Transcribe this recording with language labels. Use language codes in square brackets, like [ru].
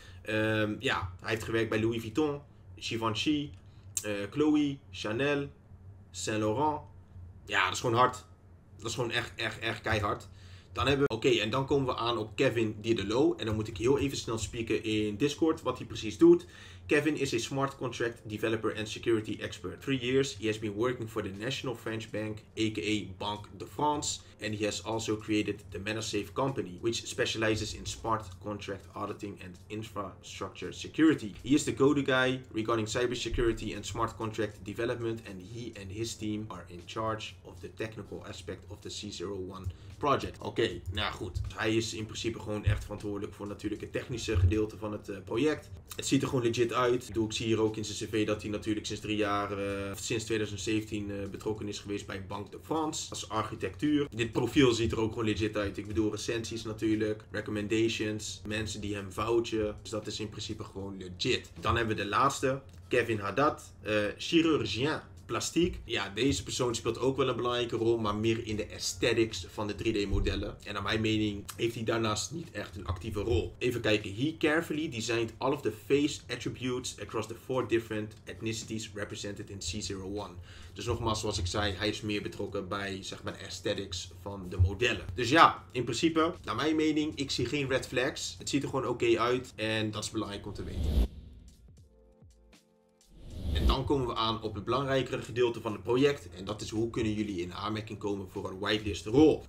[nl] Hij heeft gewerkt bij Louis Vuitton, Givenchy, Chloe, Chanel, Saint Laurent. Ja, dat is gewoon hard. Dat is gewoon echt keihard. Dan hebben we... en dan komen we aan op Kevin Diderlo. En dan moet ik heel even snel spieken in Discord wat hij precies doet. [en] Kevin is a smart contract developer and security expert. 3 years, he has been working for the National French Bank, aka Banque de France. And he has also created the ManaSafe company, which specializes in smart contract auditing and infrastructure security. He is the go-to guy regarding cybersecurity and smart contract development. And he and his team are in charge of the technical aspect of the C01 project. [nl] Hij is in principe gewoon echt verantwoordelijk voor natuurlijk het technische gedeelte van het project. Het ziet er gewoon legit uit. Ik zie hier ook in zijn cv dat hij natuurlijk sinds 2017 betrokken is geweest bij Banque de France als architectuur. Dit profiel ziet er ook gewoon legit uit. Ik bedoel recensies natuurlijk, recommendations, mensen die hem vouchen. Dus dat is in principe gewoon legit. Dan hebben we de laatste, Kevin Haddad, chirurgien. Plastiek. Ja, deze persoon speelt ook wel een belangrijke rol, maar meer in de aesthetics van de 3D modellen. En naar mijn mening heeft hij daarnaast niet echt een actieve rol. Even kijken. [en] He carefully designed all of the face attributes across the 4 different ethnicities represented in C01. [nl] Dus nogmaals, zoals ik zei, hij is meer betrokken bij zeg maar de aesthetics van de modellen. Dus ja, in principe, naar mijn mening, ik zie geen red flags. Het ziet er gewoon oké uit en dat is belangrijk om te weten. En dan komen we aan op het belangrijkere gedeelte van het project. En dat is hoe kunnen jullie in aanmerking komen voor een whitelist rol.